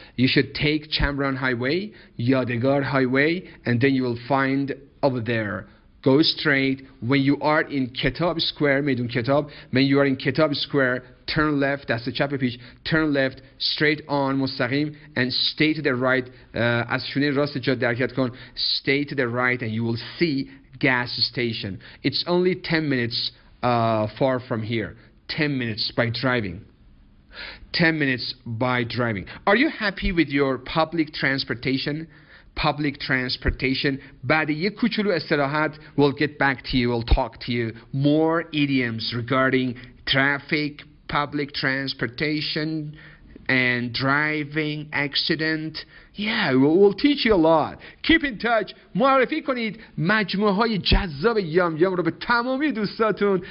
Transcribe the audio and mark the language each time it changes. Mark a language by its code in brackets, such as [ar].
[en] You should take Chambron Highway, Yadigar Highway, and then you will find over there. Go straight. When you are in Kitab Square, [fa] میدون کتاب. [en] When you are in Kitab Square, turn left. [fa] دست چپ پیش. [en] Turn left. Straight on. [fa] مستقیم. [en] And stay to the right. [fa] از شونه راست جاده حرکت کن. [en] Stay to the right, and you will see gas station. It's only 10 minutes far from here. 10 minutes by driving. 10 minutes by driving. Are you happy with your public transportation? Public transportation. [fa] بعد یک کوچولو استراحت. [en] We'll get back to you. We'll talk to you. More idioms regarding traffic, public transportation, and driving accident. Yeah, we'll teach you a lot. Keep in touch. [fa] معرفی کنید مجموعه های جذاب یام یام رو به تمامی دوستاتون.